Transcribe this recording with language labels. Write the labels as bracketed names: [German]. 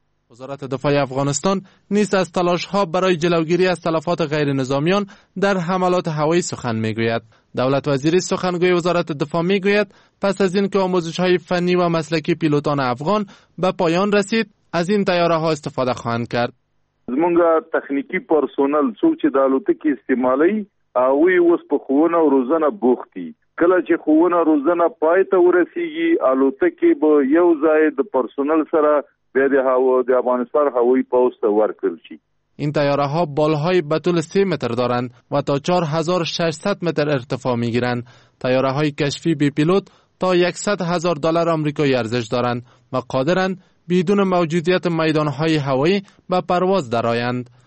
[Persian] وزارت دفاع افغانستان نیز از تلاش‌ها برای جلوگیری از تلفات غیر نظامیان در حملات هوایی سخن می‌گوید. دولت وزیری سخنگوی وزارت دفاع می‌گوید پس از اینکه آموزش‌های فنی و مسلکی پیلوتان افغان به پایان رسید، از این طیاره‌ها استفاده خواهند کرد. [Pashto] زمونږ تخنیکی پرسونل څوک چې د الوتکې استعمالي او اوس په خوونه او روزنه بوختي، کله چې خوونه او روزنه پایته ورسیږي الوتکې به یو ځای د پرسونل سره به د هوا د افغانستان هوایی پوسته ورکړل شي. [Persian] این تیاره ها بالهای به طول 3 متر دارند و تا 4600 متر ارتفاع می گیرند. تیاره های کشفی بی پیلوت تا 100,000 دلار آمریکایی ارزش دارند و قادرند بدون موجودیت میدان های هوایی به پرواز درآیند.